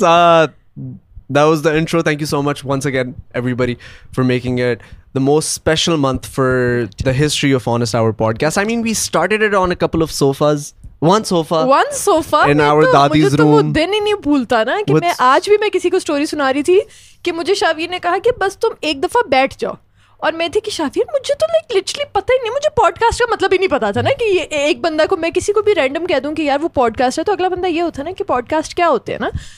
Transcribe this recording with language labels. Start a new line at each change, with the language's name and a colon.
English: That was the intro, thank you so much once again everybody for making it the most special month for the history of Honest Hour podcast. I mean, we started it on a couple of sofas. One sofa. In our dadi's room.
Hindi: मुझे तो वो दिन ही नहीं भूलता ना कि मैं आज भी मैं किसी को स्टोरी सुना रही थी कि मुझे शावीर ने कहा कि बस तुम एक दफा बैठ जाओ, और मैं थी कि शावीर मुझे तो लाइक लिटरली पता ही नहीं, मुझे पॉडकास्ट का मतलब ही नहीं पता था ना कि ये एक बंदा को मैं किसी को भी रैंडम कह दूँ कि यार वो पॉडकास्ट है, तो अगला बंदा ये होता है ना कि पॉडकास्ट क्या होते हैं ना,